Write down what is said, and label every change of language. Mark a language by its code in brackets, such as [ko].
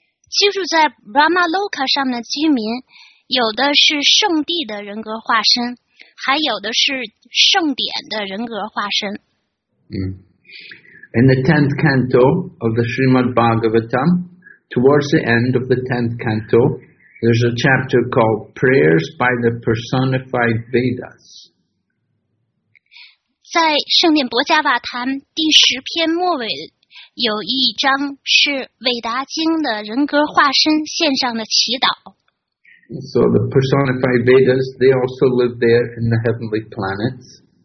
[zh] 居住在 Brahmaloka 上面的居民，有的是圣地的人格化身，还有的是圣典的人格化身。 [en] In the 10th canto of the Srimad Bhagavatam, towards the end of the 10th canto, there's a chapter called Prayers by the Personified Vedas. [zh] 在圣殿博伽瓦坛第十篇末尾有一章是韦达经的人格化身献上的祈祷。 [en] So the personified Vedas, they also live there in the heavenly planets.